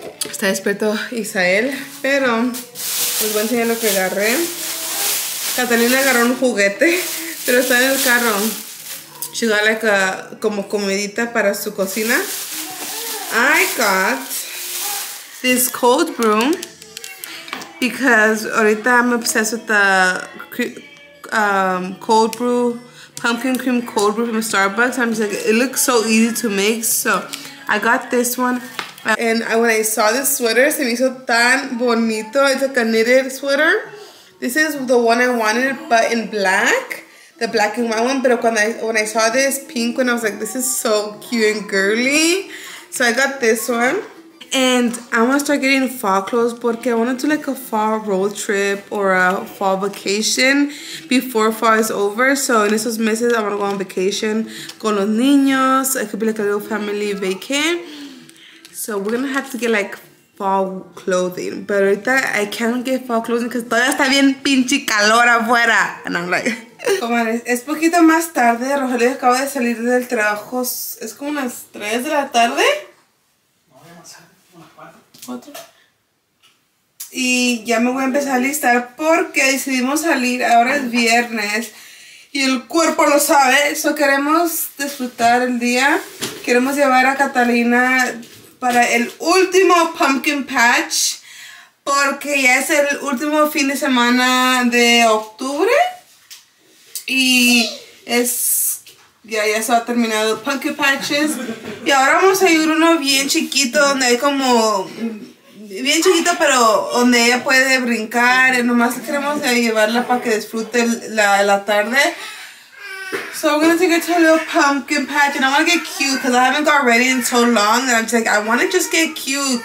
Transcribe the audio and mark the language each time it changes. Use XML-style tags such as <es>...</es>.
<es>Está despierto Isael, pero les voy a enseñar lo que agarré. Catarina agarró un juguete, pero está en el carro.</es> <en>She got like a,</en> <es>como comidita para su cocina.</es> <en>I got this cold brew because ahorita I'm obsessed with the cold brew. Pumpkin cream cold brew from Starbucks. I'm just like, it looks so easy to make. So I got this one. And when I saw this sweater,</en> <es>se me hizo tan bonito.</es> <en>It's like a knitted sweater. This is the one I wanted, but in black. The black and white one. Pero when I saw this pink one, I was like, this is so cute and girly. So I got this one. And I want to start getting fall clothes porque I want to do like a fall road trip or a fall vacation before fall is over. So in</en> <es>esos meses,</es> <en>I want to go on vacation</en> <es>con los niños.</es> <en>It could be like a little family vacay. So we're going to have to get like fall clothing. But ahorita I can't get fall clothing because</en> <es>todavía está bien pinche calor afuera.</es> <en>And I'm like...</en> <es>Comadres, es poquito más tarde. Rogelio acaba de salir del trabajo. Es como unas 3 de la tarde. Y ya me voy a empezar a listar porque decidimos salir, ahora es viernes y el cuerpo lo sabe, eso queremos disfrutar el día, queremos llevar a Catalina para el último pumpkin patch porque ya es el último fin de semana de octubre y es... Ya se ha terminado Pumpkin Patches. Y ahora vamos a ir uno bien chiquito, donde hay como... Bien chiquito, pero donde ella puede brincar. Y nomás queremos llevarla para que disfrute la tarde.</es> <en>So I'm going to take her to a little pumpkin patch. And I want to get cute, because I haven't got ready in so long. And I'm just like, I want to just get cute.</en>